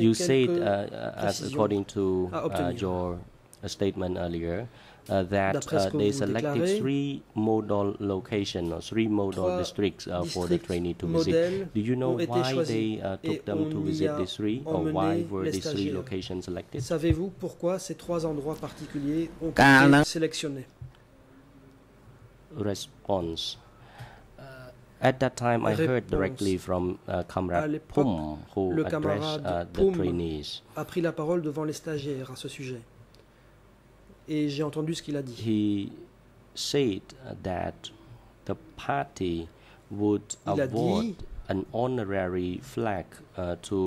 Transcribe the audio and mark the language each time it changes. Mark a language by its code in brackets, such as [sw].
[en] you said, as according to your statement earlier, that they selected three modal locations or three modal districts for the trainee to visit. Do you know why they took them to visit these three, or why were these three locations selected? [fr] Savez-vous pourquoi ces trois endroits particuliers ont été sélectionnés? [en] Response. At that time, I heard directly from Comrade Poum, who addressed the trainees. [fr] A pris la parole devant les stagiaires à ce sujet. Et j'ai entendu ce qu'il a dit. [en] He said that the party would award an honorary flag to